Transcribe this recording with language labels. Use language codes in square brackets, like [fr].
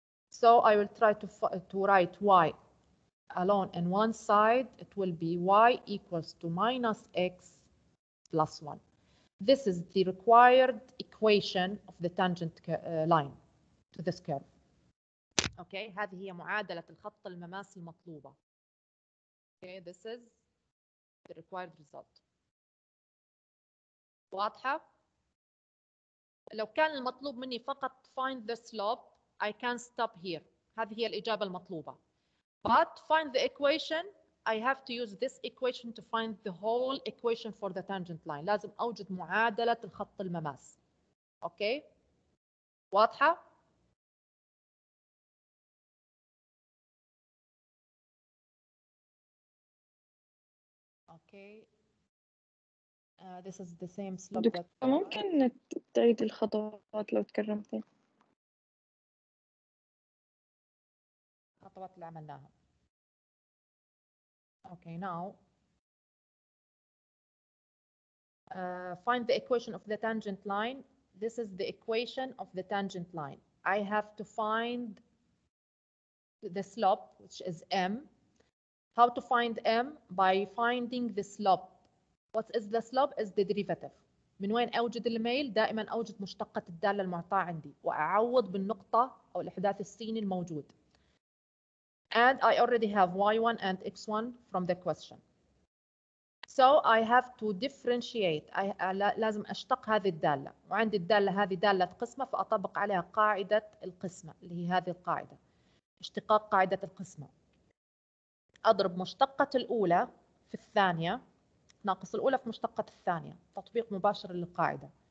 [en] So I will try to write y alone in one side. It will be y equals to minus x plus 1. This is the required equation of the tangent line to this curve. [ar] Okay, هذه هي معادلة الخط المماسي المطلوبة. [en] Okay, this is the required result. [ar] واضحة؟ لو كان المطلوب مني فقط [en] find the slope, I can stop here. [ar] هذه هي الإجابة المطلوبة. [en] But find the equation, I have to use this equation to find the whole equation for the tangent line. [ar] لازم أوجد معادلة الخط المماس. [en] Okay? [ar] واضحة؟ [en] Okay. This is the same slope. [ar] دكتور ممكن تعيد الخطوات لو تكرمتي. الخطوات اللي عملناها. [en] Okay, now find the equation of the tangent line. This is the equation of the tangent line. I have to find the slope, which is m. How to find m? By finding the slope. What is the slope? Is the derivative. [ar] من وين أوجد الميل؟ دائما أوجد مشتقة الدالة المعطاة عندي وأعوض بالنقطة أو الإحداث السيني الموجود. [en] And I already have y1 and x1 from the question. So I have to differentiate. [ar] لازم أشتق هذه الدالة. وعندي الدالة هذه دالة قسمة فأطبق عليها قاعدة القسمة اللي هي هذه القاعدة. اشتقاق قاعدة القسمة. أضرب مشتقة الأولى في الثانية ناقص الأولى في مشتقة الثانية تطبيق مباشر للقاعدة